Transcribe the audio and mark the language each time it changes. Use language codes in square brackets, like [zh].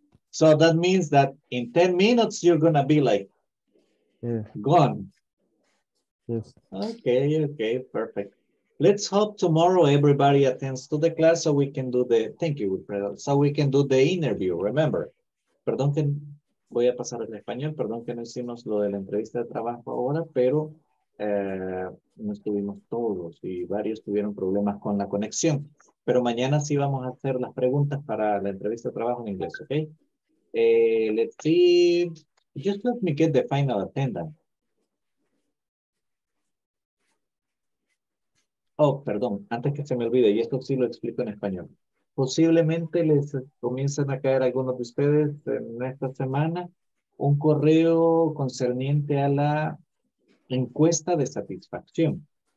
[en] So that means that in 10 minutes, you're going to be like gone. Yes. Okay, okay, perfect. Let's hope tomorrow everybody attends to the class so we can do the, thank you, so we can do the interview, remember. [es] Perdón que voy a pasar al español, perdón que no hicimos lo de la entrevista de trabajo ahora, pero no estuvimos todos y varios tuvieron problemas con la conexión. Pero mañana sí vamos a hacer las preguntas para la entrevista de trabajo en inglés, okay? [en] Let's see, just let me get the final attendance. [es] Oh, perdón, antes que se me olvide, y esto sí lo explico en español. Posiblemente les comiencen a caer algunos de ustedes en esta semana un correo concerniente a la encuesta de satisfacción.